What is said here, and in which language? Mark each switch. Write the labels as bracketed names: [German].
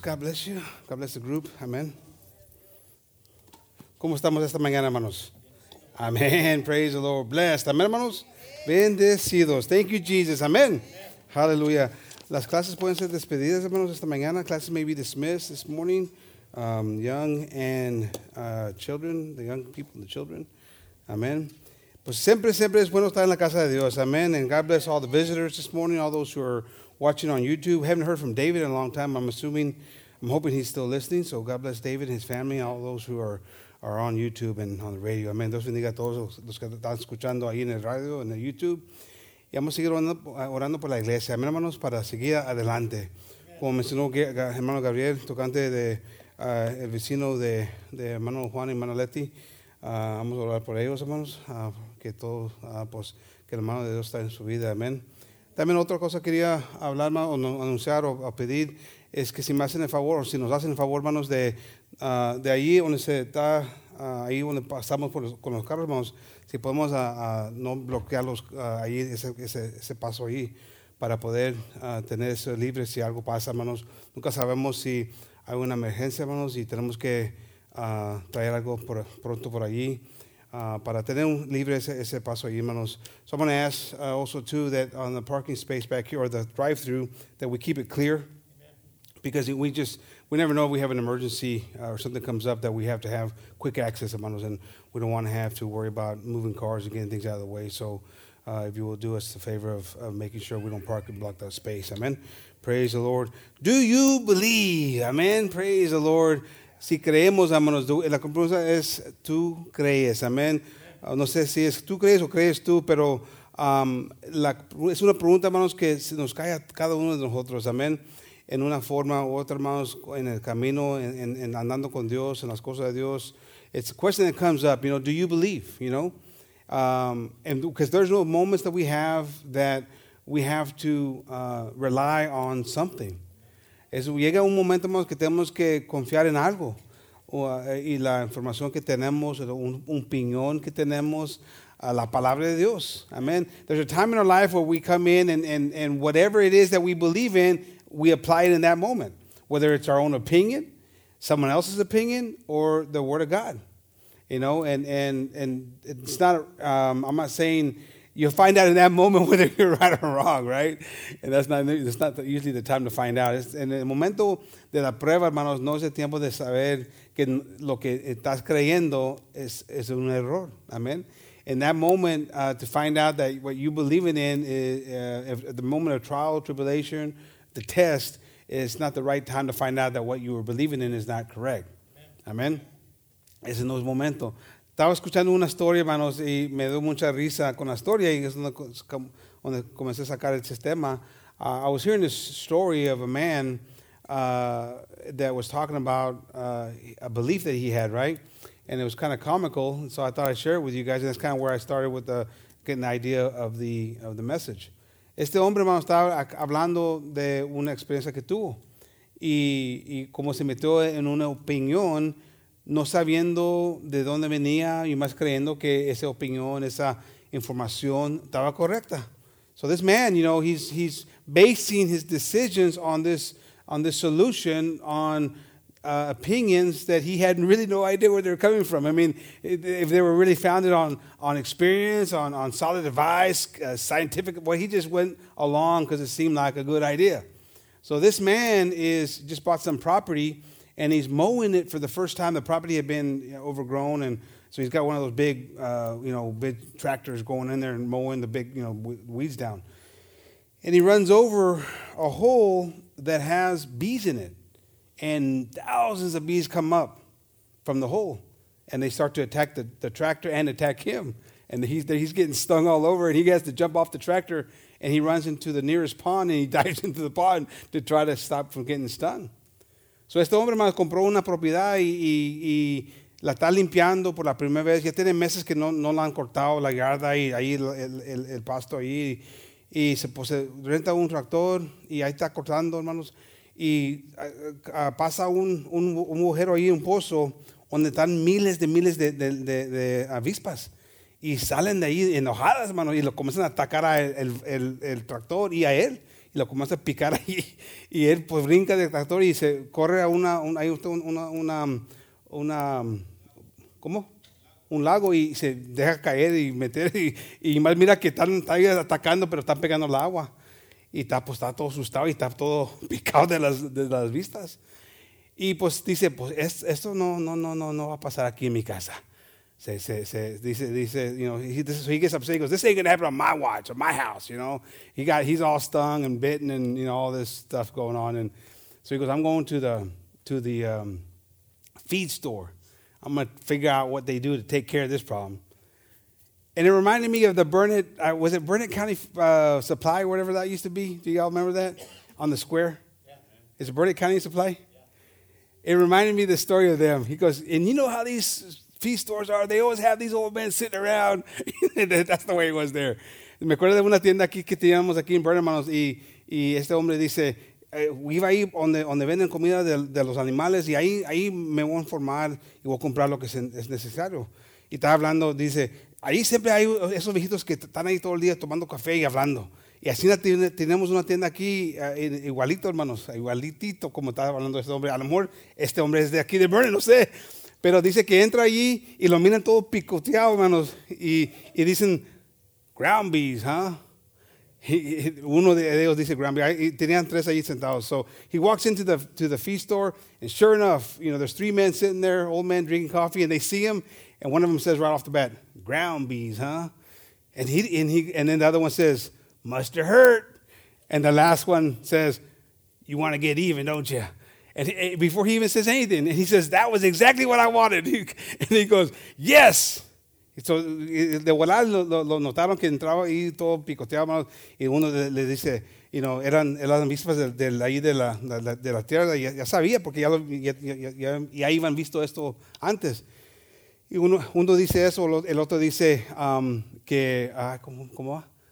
[English] God bless you. God bless the group. Amen. [Spanish] ¿Cómo estamos esta mañana, hermanos? Amen. [English] Praise the Lord. Blessed. [Spanish] Amen, hermanos. Bendecidos. [English] Thank you, Jesus. [Spanish] Amen. Hallelujah. Las clases pueden ser despedidas, hermanos, esta mañana. [English] Classes may be dismissed this morning. Young and children, the young people, the children. Amen. [Spanish] Pues siempre, siempre es bueno estar en la casa de Dios. Amen. [English] And God bless all the visitors this morning, all those who are watching on YouTube. Haven't heard from David in a long time. I'm hoping he's still listening. So God bless David and his family, all those who are on YouTube and on the radio. Amen. [Spanish] Dios bendiga a todos los que están escuchando ahí en el radio, en el YouTube. Y vamos a seguir orando por la iglesia. Amen, hermanos, para seguir adelante. Como mencionó hermano Gabriel, tocante de... el vecino de hermano Juan y hermano Leti, vamos a orar por ellos, hermanos, que todo, pues, que la mano de Dios está en su vida, amén. También otra cosa quería hablar, o no, anunciar o pedir, es que si me hacen el favor, o si nos hacen el favor, hermanos, de ahí donde se está, ahí donde pasamos con los carros, hermanos, si podemos no bloquearlos ahí, ese paso ahí, para poder tener eso libre si algo pasa, hermanos. Nunca sabemos si hay una emergencia, hermanos, y tenemos que traer algo pronto por allí para tener libre ese paso allí, hermanos. [English] So I'm going to ask also, too, that on the parking space back here or the drive-through, that we keep it clear. Amen. Because we never know if we have an emergency or something comes up that we have to have quick access, hermanos, and we don't want to have to worry about moving cars and getting things out of the way. So if you will do us the favor of making sure we don't park and block that space. Amen. Praise the Lord. Do you believe? Amen. Praise the Lord. [Spanish] Si creemos, hermanos, la pregunta es, ¿tú crees? Amen. No sé si es tú crees o crees tú, pero es una pregunta, hermanos, que se nos cae a cada uno de nosotros. Amen. En una forma u otra, hermanos, en el camino, en andando con Dios, en las cosas de Dios. [English] It's a question that comes up, you know, do you believe, you know? And because there's no moments that we have that we have to rely on something. [Spanish] Llega un momento que tenemos que confiar en algo. Y la información que tenemos, un opinión que tenemos, la palabra de Dios. Amen. [English] There's a time in our life where we come in and whatever it is that we believe in, we apply it in that moment. Whether it's our own opinion, someone else's opinion, or the word of God. You know, and it's not, I'm not saying... You'll find out in that moment whether you're right or wrong, right? And that's not usually the time to find out. It's [Spanish] en el momento de la prueba, hermanos, no es el tiempo de saber que lo que estás creyendo es un error. Amen. [English] In that moment, to find out that what you believe in is at the moment of trial, tribulation, the test, is not the right time to find out that what you were believing in is not correct. [Spanish] Amen. Es en ese momento. Estaba escuchando una historia, hermanos, y me dio mucha risa con la historia, y es donde comencé a sacar el sistema. [English] I was hearing this story of a man that was talking about a belief that he had, right? And it was kind of comical, so I thought I'd share it with you guys, and that's kind of where I started with getting the idea of the message. [Spanish] Este hombre, hermanos, estaba hablando de una experiencia que tuvo, y como se metió en una opinión, no sabiendo de dónde venía y más creyendo que esa opinión, esa información estaba correcta. [English] So this man, you know, he's basing his decisions on this solution, on opinions that he had really no idea where they were coming from. I mean, if they were really founded on experience, on solid advice, scientific, well, he just went along because it seemed like a good idea. So this man is just bought some property, and he's mowing it for the first time. The property had been, you know, overgrown, and so he's got one of those big, big tractors going in there and mowing the big, you know, weeds down. And he runs over a hole that has bees in it. And thousands of bees come up from the hole, and they start to attack the tractor and attack him. And he's getting stung all over, and he has to jump off the tractor, and he runs into the nearest pond, and he dives into the pond to try to stop from getting stung. [Spanish] So este hombre más compró una propiedad y la está limpiando por la primera vez. Ya tiene meses que no la han cortado la yarda y ahí el pasto ahí. Y se renta un tractor y ahí está cortando, hermanos. Y pasa un agujero ahí, un pozo, donde están miles de avispas. Y salen de ahí enojadas, hermano, y lo comienzan a atacar a el tractor y a él. Y lo comienzan a picar ahí. Y él pues brinca del tractor y se corre a un lago y se deja caer y meter. Y más mira que están atacando, pero están pegando el agua. Y está, pues, está todo asustado y está todo picado de las vistas. Y pues dice, pues esto no va a pasar aquí en mi casa. Se dice, [English] you know, he gets upset. He goes, this ain't gonna happen on my watch or my house, you know. He's all stung and bitten and, you know, all this stuff going on. And so he goes, I'm going to the feed store. I'm gonna figure out what they do to take care of this problem. And it reminded me of the Burnett County Supply, whatever that used to be. Do y'all remember that? On the square? Yeah, man. Is it Burnett County Supply? Yeah. It reminded me of the story of them. He goes, and you know how these feed stores are? They always have these old men sitting around. That's the way it was there. [Spanish] Me acuerdo de una tienda aquí que teníamos aquí en Burnett, hermanos, y este hombre dice, we iba ahí donde venden comida de los animales, y ahí me voy a informar y voy a comprar lo que es necesario. Y estaba hablando, dice, ahí siempre hay esos viejitos que están ahí todo el día tomando café y hablando. Y así tenemos una tienda aquí, igualito, hermanos, igualitito como estaba hablando este hombre. A lo mejor este hombre es de aquí de Burnett, no sé. Pero dice que entra allí y lo miran todo picoteado, hermanos. Y dicen, [English] ground bees, huh? [Spanish] Uno de ellos dice ground bees. Y tenían tres allí sentados. [English] So he walks into the feed store, and sure enough, you know, there's three men sitting there, old men drinking coffee, and they see him. And one of them says right off the bat, ground bees, huh? And then the other one says, must have hurt. And the last one says, you want to get even, don't you? And before he even says anything, and he says, that was exactly what I wanted. And he goes, yes. [Spanish] So de volada lo notaron que entraba ahí todo picoteado. Y uno le dice, [English] you know, [Spanish] eran vistas de la tierra. Ya sabía porque ya iban visto esto antes. Y uno dice eso, el otro dice que, ¿cómo va?